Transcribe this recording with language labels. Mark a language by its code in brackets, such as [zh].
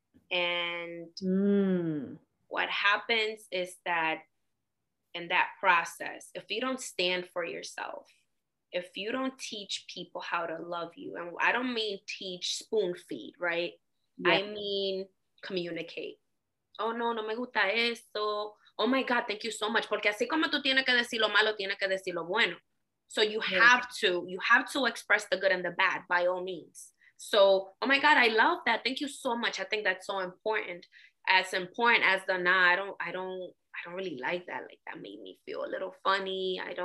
[en] And what happens is that in that process, if you don't stand for yourself, if you don't teach people how to love you, and I don't mean teach spoon feed, right? Yeah. I mean, communicate. Oh no, [es] no me gusta esto. [en] Oh my God, thank you so much. [es] Porque así como tú tienes que decir lo malo, tienes que decir lo bueno. [en] So you have to express the good and the bad by all means. So, oh my God, I love that. Thank you so much. I think that's so important. As important as the, nah, I don't really like that. Like that made me feel a little funny.